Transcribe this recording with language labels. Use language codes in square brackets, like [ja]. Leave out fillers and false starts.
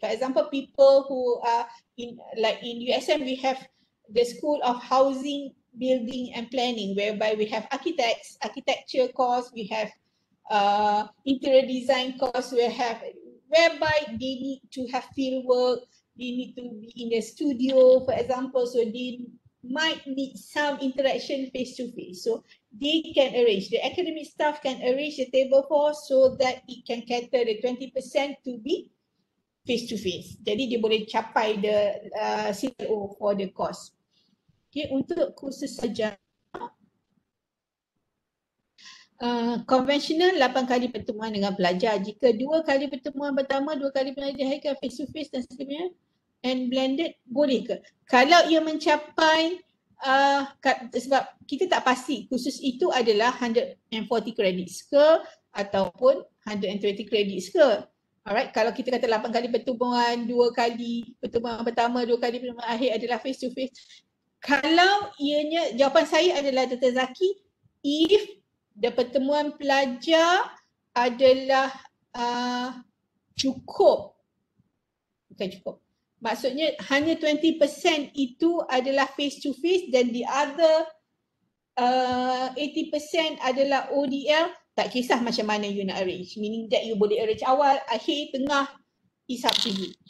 [en] For example, people who are in, like in USM, we have the School of Housing, Building and Planning, whereby we have architects, architecture course, we have interior design course, we have, whereby they need to have fieldwork, they need to be in a studio, for example, so they might need some interaction face to face. So they can arrange, the academic staff can arrange the table for so that it can cater the 20% to be face to face. [ms] Jadi dia boleh capai [en] the CLO for the course. [ms] Okay, untuk kursus saja, conventional 8 kali pertemuan dengan pelajar. Jika 2 kali pertemuan pertama, 2 kali pelajar [en] face to face [ms] dan sebagainya, [en] and blended, [ms] boleh ke? Kalau ia mencapai, sebab kita tak pasti kursus itu adalah 140 credits ke ataupun 120 credits ke. [en] Alright, [ms] kalau kita kata 8 kali pertemuan, 2 kali pertemuan pertama, 2 kali pertemuan akhir adalah [en] face to face. [ms] Kalau ianya, jawapan saya adalah Dr. Zaki, [en] if the [ms] pertemuan pelajar adalah cukup, bukan cukup. Maksudnya hanya 20% itu adalah face to face dan [en] the other 80% [ms] adalah ODL, tak kisah macam mana you nak arrange. [en] Meaning that you [ms] boleh [en] arrange [ms] awal, akhir, tengah, [en] it's up to you.